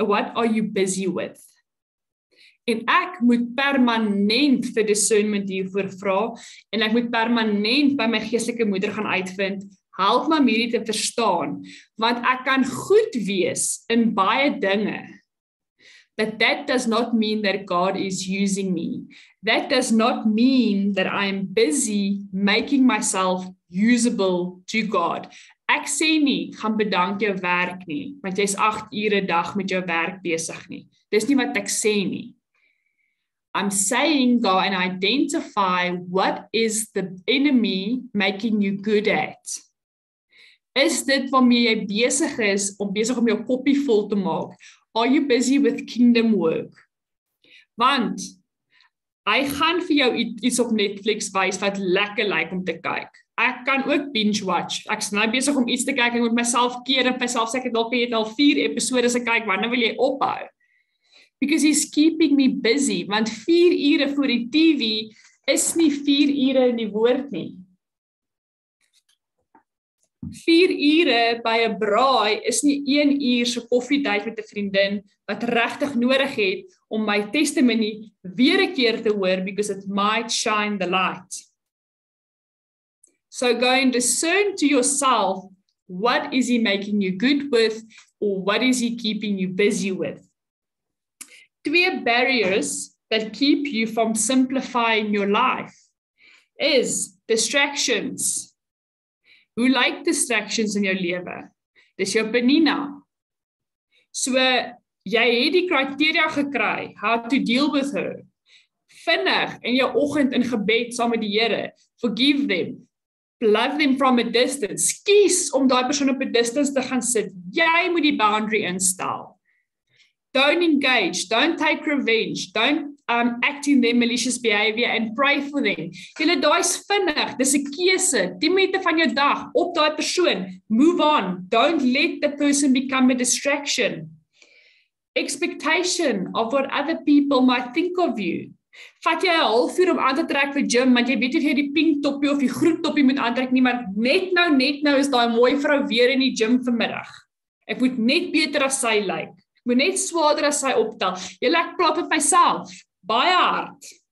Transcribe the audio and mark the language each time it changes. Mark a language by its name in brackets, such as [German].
[English] What are you busy with? [Afrikaans] En ek moet permanent vir discernment hiervoor vra, en ek moet permanent by my geestelike moeder gaan uitvind, help my hierdie te verstaan, want ek kan goed wees in baie dinge, [English] But that does not mean that God is using me. That does not mean that I am busy making myself usable to God. [Afrikaans] Ek sê nie, gaan bedank jou werk nie, want jy is 8 ure dag met jou werk besig nie. Dis nie wat ek sê nie. [English] I'm saying, go and identify what is the enemy making you good at. [Afrikaans] Is dit waarmee jy besig is om besig om jou koppie vol te maak? [English] Are you busy with kingdom work? [Afrikaans] Want, hy gaan vir jou iets op Netflix wys wat lekker lyk om te kyk. Ek kan ook binge watch. Ek is nou besig om iets te kyk en moet myself keer en myself sê, ek het al 4 episodes gekyk, wanneer wil jy ophou? [English] Because he's keeping me busy, [Afrikaans] want 4 ure voor die TV is nie 4 ure in die woord nie. 4 ure by 'n braai is nie 1 uur se koffietyd met 'n vriendin wat regtig nodig het om my testimony weer 'n keer te hoor [English] because it might shine the light. So go and discern to yourself, what is he making you good with or what is he keeping you busy with? 2 barriers that keep you from simplifying your life is distractions. [Afrikaans] Hoe lyk distractions in jou lewe? Dis jou penina. So, jy het die kriteria gekry, [English] how to deal with her. [Afrikaans] Vinnig in jou oggend in gebed saam met die Here. [English] Forgive them. Love them from a distance. [Afrikaans] Kies om daai persoon op 'n distance te gaan sit. Jy moet die boundary instel. [English] Don't engage, don't take revenge, don't act in their malicious behavior and pray for them. [Afrikaans] Julle daai is vinnig, dis 'n keuse, 10 minute van jou dag, op daai persoon, move on. [English] Don't let the person become a distraction. Expectation of what other people might think of you. [Afrikaans] Vat jy 'n halfuur om aan te trek vir gym, want jy weet of jy die pink toppie of die groen toppie moet aantrek nie, maar net nou is daai mooi vrou weer in die gym vanmiddag. Ek moet net beter as sy lyk. Moet net swaarder as sy optel. Jy lek plat op myself. Baie hard.